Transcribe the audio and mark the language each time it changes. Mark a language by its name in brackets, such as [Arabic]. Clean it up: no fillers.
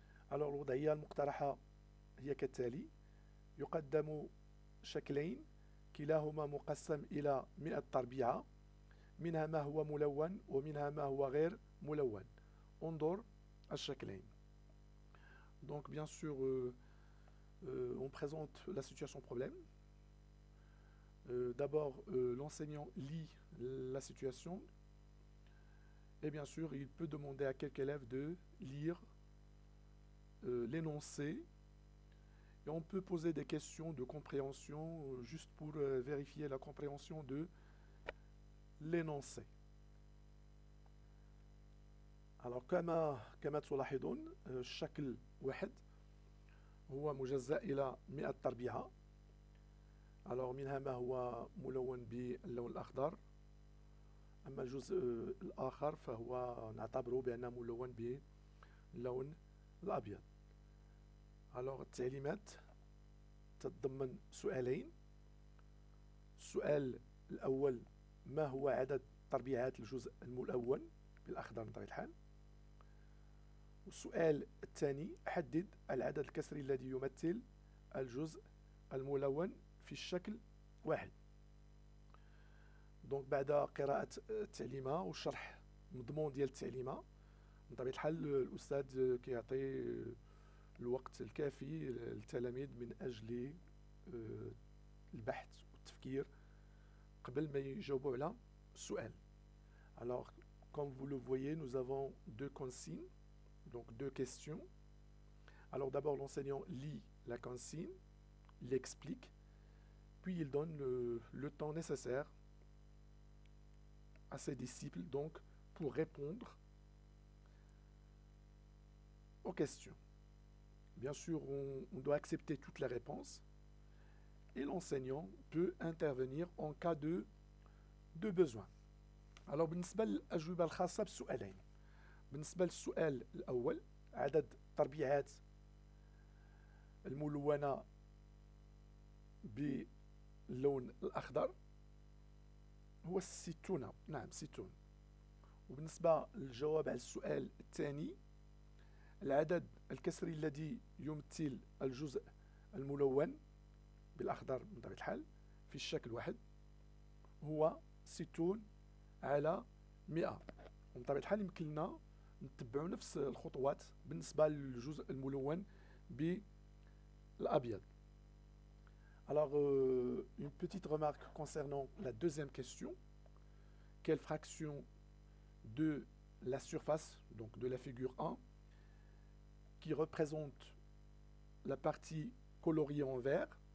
[Arabic] alors الوضعية المقترحة هي كالتالي: يقدم شكلين كلاهما مقسم إلى 100 تربيعة، منها ما هو ملون ومنها ما هو غير ملون. انظر الشكلين. [French] donc bien sûr on présente la situation problème. D'abord, l'enseignant lit la situation et bien sûr, il peut demander à quelques élèves de lire l'énoncé. Et on peut poser des questions de compréhension juste pour vérifier la compréhension de l'énoncé. [Arabic] Alors, كما تلاحظون, الشكل واحد هو مجزأ إلى 100 تربيعة. Alors, منها ما هو ملون باللون الأخضر، أما الجزء الآخر فهو نعتبره بأنه ملون باللون الأبيض. Alors, التعليمات تتضمن سؤالين. السؤال الأول: ما هو عدد تربيعات الجزء الملون بالأخضر من طبيعة الحال؟ والسؤال الثاني: حدد العدد الكسري الذي يمثل الجزء الملون في الشكل واحد. دونك بعد قراءة التعليمة والشرح مضمون ديال التعليمة، من طبيعة الحال الأستاذ كيعطي الوقت الكافي للتلاميذ من أجل البحث والتفكير قبل ما يجاوبوا على سؤال. [French] Alors, comme vous le voyez, nous avons deux consignes, donc deux questions. Alors d'abord, l'enseignant lit la consigne, l'explique, puis il donne le temps nécessaire à ses disciples, donc, pour répondre aux questions. Bien sûr, on doit accepter toutes les réponses et l'enseignant peut intervenir en cas de besoin. [Arabic] Alors, بالنسبة للأجوبة الخاصة بسؤالين. بالنسبة للسؤال الأول، عدد تربيعات الملونة باللون الأخضر هو 60. نعم 60. وبالنسبة للجواب على السؤال الثاني، العدد الكسري الذي يمثل الجزء الملون بالأخضر من طبيعة الحال في الشكل واحد هو 60 على 100. ومن طبيعة الحال يمكن لنا نتبعوا نفس الخطوات بالنسبة للجزء الملون بالأبيض. [French] Alors, une petite remarque concernant la deuxième question. Quelle fraction de la surface, donc de la figure 1, qui représente la partie coloriée en vert?